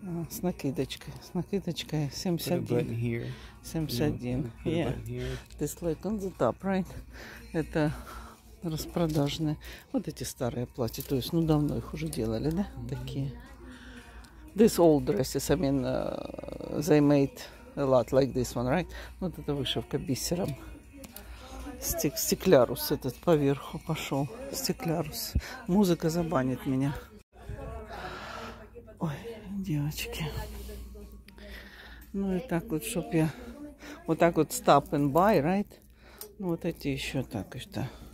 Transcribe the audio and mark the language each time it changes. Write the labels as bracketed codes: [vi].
[ru] С накидочкой. С накидочкой 71. 71. Yeah. [en] This like on the top, right? [ru] Это... распродажные. Вот эти старые платья. То есть, ну, давно их уже делали, да? Такие. [en] These old dresses, I mean, they made a lot like this one, right? [ru] Вот эта вышивка бисером. Стеклярус этот поверху пошел. Стеклярус. Музыка забанит меня. Ой, девочки. Ну, и так вот, чтоб я... Вот так вот [en] stop and buy, right? [ru] Ну, вот эти еще так что...